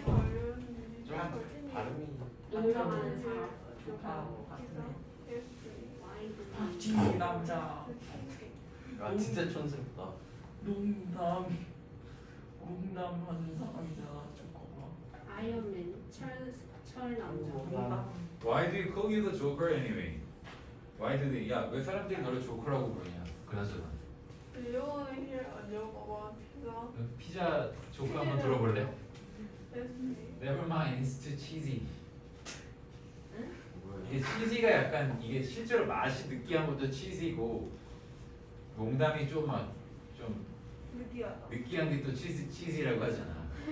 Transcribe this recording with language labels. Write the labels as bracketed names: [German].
[Korean] 발음이 동남한 사람. 조카 같은데. 진짜 남자. 아 진짜 촌스럽다. 농담. 농담하는 사람이잖아 조카가. 아이언맨 철 남자. [English] Why do you call you the Joker anyway? Why do they? [Korean] 야, 왜 사람들이 너를 조커라고 부르냐? 그나저나. [English] Do you want to hear a joke about pizza? [Korean] 피자 조커 한번 들어볼래? [English] That's me. Never mind, it's too cheesy. [Korean] 뭐야? 이게 cheesy가 약간 이게 실제로 맛이 느끼한 것도 cheesy고 농담이 좀 막 좀 느끼한 게 또 cheesy라고 하잖아.